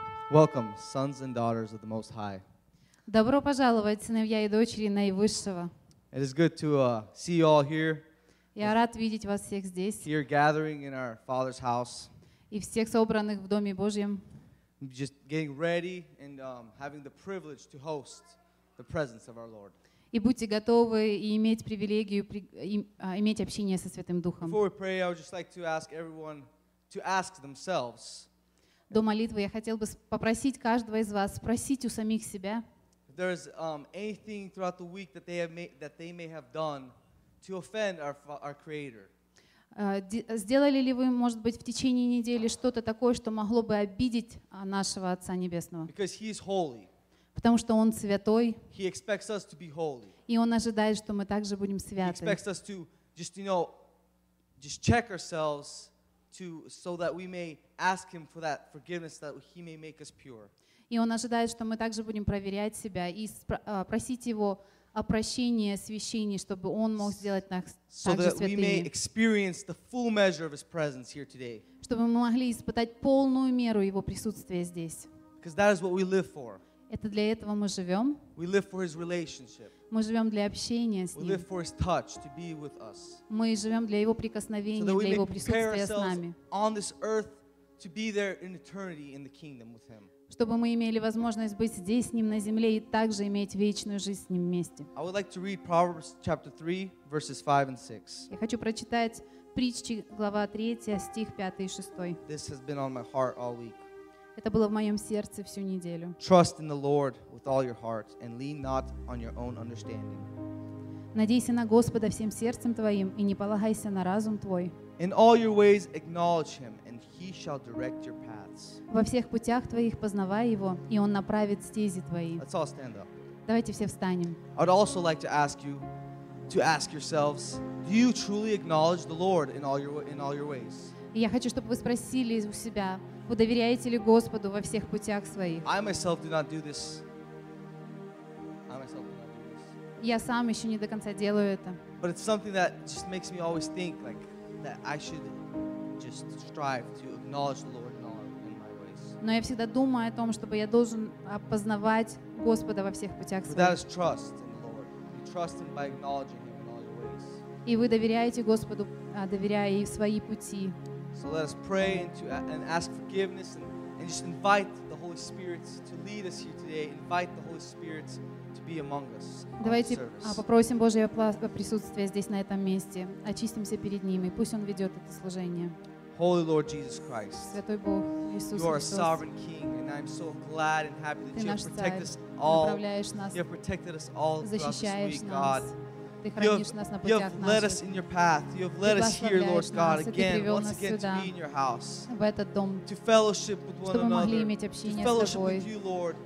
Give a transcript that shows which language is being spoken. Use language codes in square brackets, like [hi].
[en] Welcome, sons and daughters of the Most High. [ru] Добро пожаловать, сыновья и дочери наивысшего. [en] It is good to see you all here. [ru] Я рад видеть вас всех здесь. [en] Here gathering in our Father's house. [ru] И всех собранных в Доме Божьем. [en] Just getting ready and having the privilege to host the presence of our Lord. [ru] И будьте готовы и иметь привилегию иметь общение со Святым Духом. [en] Before we pray, I would just like to ask everyone to ask themselves. [ru] До молитвы я хотел бы попросить каждого из вас спросить у самих себя. [en] If there is anything throughout the week that they may have done to offend our Creator. [ru] Сделали ли вы, может быть, в течение недели что-то такое, что могло бы обидеть нашего Отца Небесного? [en] Because He is holy. [ru] Потому что Он святой. [en] He expects us to be holy. [ru] И Он ожидает, что мы также будем святы. [en] He expects us to just, you know, just check ourselves to so that we may ask Him for that forgiveness that He may make us pure. [ru] И Он ожидает, что мы также будем проверять себя и просить Его о прощении, освящении, чтобы Он мог сделать нас [en] so [ru] также святыми. [en] So that we may experience the full measure of His presence here today. [ru] Чтобы мы могли испытать полную меру Его присутствия здесь. [en] Because that is what we live for. [ru] Это для этого мы живем. [en] We live for His relationship. [ru] Мы живем для общения с Ним. [en] We live for His touch to be with us. [ru] Мы живем для Его прикосновения, для Его присутствия с нами. [en] On this earth to be there in eternity in the kingdom with Him. [ru] Чтобы мы имели возможность быть здесь с Ним на земле и также иметь вечную жизнь с Ним вместе. [en] I would like to read Proverbs chapter 3, verses 5 and 6. [ru] Я хочу прочитать притчи, глава 3, стих 5 и 6. [en] This has been on my heart all week. [ru] Это было в моем сердце всю неделю. [en] Trust in the Lord with all your heart and lean not on your own understanding. [ru] Надейся на Господа всем сердцем твоим и не полагайся на разум твой. [en] In all your ways acknowledge Him and He shall direct your paths. [ru] Во всех путях твоих познавай Его, и Он направит стези твои. [en] Let's all stand up. [ru] Давайте все встанем. [en] I would also like to ask you to ask yourselves, do you truly acknowledge the Lord in all your ways? [ru] Я хочу, чтобы вы спросили у себя, вы доверяете ли Господу во всех путях своих? [en] I myself do not do this. [ru] Я сам еще не до конца делаю это. [en] But it's something that just makes me always think like that I should just strive to acknowledge the Lord in all in my ways. [ru] Но я всегда думаю о том, чтобы я должен опознавать Господа во всех путях своих. [en] But that is trust in the Lord. You trust Him by acknowledging Him in all your ways. [ru] И вы доверяете Господу, доверяя и в свои пути. [en] So let us pray and ask forgiveness and just invite the Holy Spirit to lead us here today. Invite the Holy Spirit to be among us. [ru] Давайте попросим Божьего присутствия здесь на этом месте. Очистимся перед Ним, и пусть Он ведет это служение. [en] Holy Lord Jesus Christ. [ru] Святой Бог, Иисус Христос. [en] You are a sovereign King, and I am so glad and happy that you have protected us all. You have protected us all throughout this week, God. You have led us in your path. You have led us here, Lord God, once again to be in your house. To fellowship with one another. To fellowship with you, Lord.